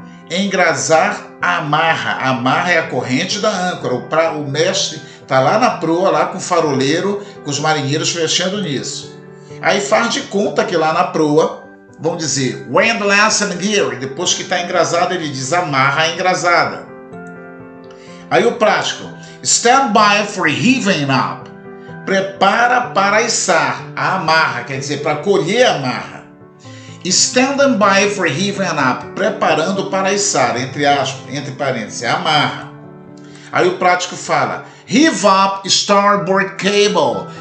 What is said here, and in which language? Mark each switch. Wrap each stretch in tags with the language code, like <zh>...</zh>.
<pt>Engrasar a amarra. A amarra é a corrente da âncora. O mestre está lá na proa, lá com o faroleiro, com os marinheiros fechando nisso. Aí faz de conta que lá na proa, vão dizer,</pt> <en>windlass and gear,</en> <pt>depois que está engrasada, ele diz, amarra a engrasada. Aí o prático,</pt> <en>stand by for heaving up.</en> <pt>Prepara para içar a amarra, quer dizer, para colher a amarra.</pt> <en>Standing by for heaving up,</en> <pt>preparando para içar, entre aspas, entre parênteses, amarra. Aí o prático fala,</pt> <en>heave up starboard cable.</en>